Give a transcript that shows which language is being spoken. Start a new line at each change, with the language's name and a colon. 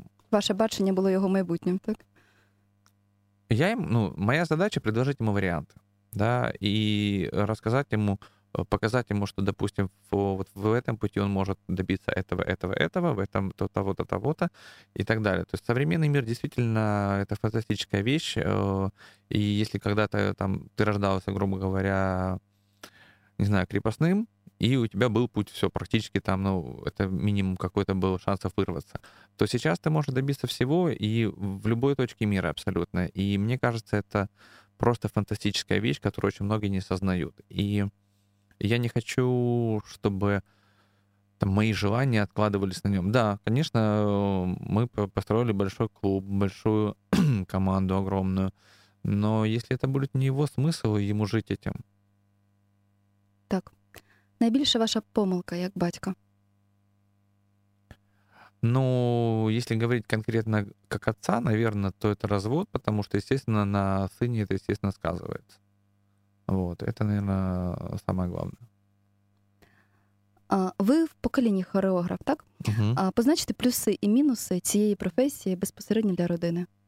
Ukrainian: Ваше бачення
Russian: было его
Ukrainian: майбутнім, так?
Russian: Я им, ну, моя задача — предложить ему варианты. Да, и рассказать ему, показать ему, что, допустим, вот в этом пути он может добиться этого, этого, этого, в этом то-того-то, того-то и так далее. То есть современный мир действительно это фантастическая вещь. И если когда-то там ты рождался, грубо говоря, не знаю, крепостным, и у тебя был путь, все практически там, ну, это минимум какой-то был шансов вырваться, то сейчас ты можешь добиться всего и в любой точке мира абсолютно. И мне кажется, это просто фантастическая вещь, которую очень многие не сознают. И я не хочу, чтобы там, мои желания откладывались на нем. Да, конечно, мы построили большой клуб, большую команду огромную. Но если это будет не его смысл, ему жить этим.
Ukrainian: Так, найбільша ваша помилка, як батько?
Russian: Ну, если говорить конкретно как отца, наверное, то это развод, потому что, естественно, на сыне это, естественно, сказывается. Вот, это, наверное, самое главное.
Ukrainian: Ви в поколінні хореограф, так? Угу. Позначте плюси і мінуси цієї професії безпосередньо для родини.